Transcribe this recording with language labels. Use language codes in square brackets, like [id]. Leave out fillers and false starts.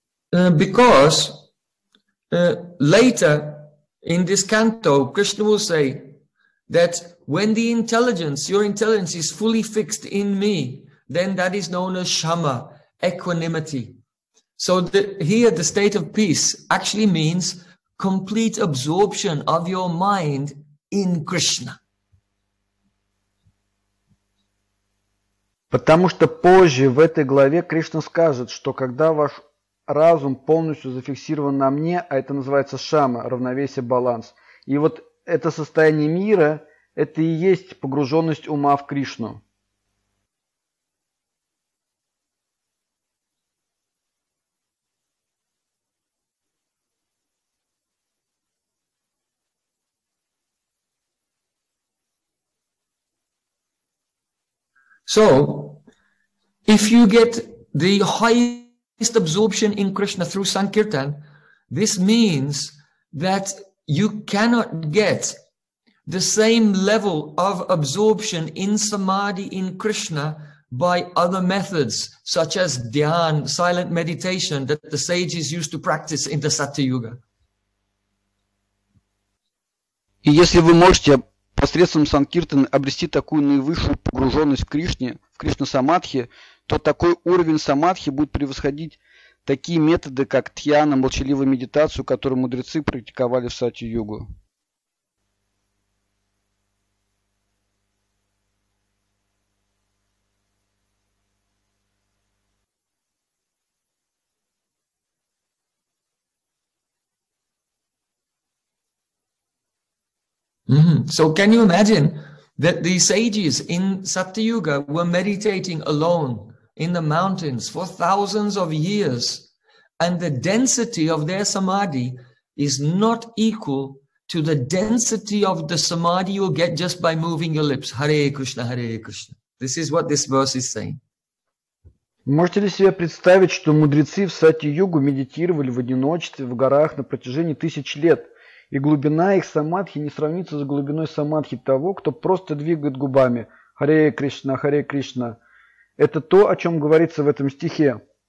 [en] Because later in this canto, Krishna will say that when the intelligence, your intelligence is fully fixed in me, then that is known as shama, equanimity. So here the state of peace actually means complete absorption of your mind in Krishna. [ru] Потому что позже в этой главе Кришна скажет, что когда ваш разум полностью зафиксирован на мне, а это называется шама, равновесие, баланс. И вот это состояние мира, это и есть погруженность ума в Кришну. [en] So, if you get the highest absorption in Krishna through Sankirtan, this means that you cannot get the same level of absorption in samadhi in Krishna by other methods, such as dhyan, silent meditation, that the sages used to practice in the Satyayuga. [ru] И если вы можете посредством санкиртаны обрести такую наивысшую погруженность в Кришне, в Кришна-самадхи, то такой уровень самадхи будет превосходить такие методы, как тхьяна, молчаливую медитацию, которую мудрецы практиковали в Сати-йогу. Mm-hmm. [en] So can you imagine that the sages in Satyayuga were meditating alone in the mountains for thousands of years, and the density of their samadhi is not equal to the density of the samadhi you'll get just by moving your lips. Hare Krishna, this is what this verse is saying. [ru] Можете ли себе представить, что мудрецы в Сати-йогу медитировали в одиночестве в горах на протяжении тысяч лет? И глубина их самадхи не сравнится с глубиной самадхи того, кто просто двигает губами «Харе Кришна». Это то, о чем говорится в этом стихе.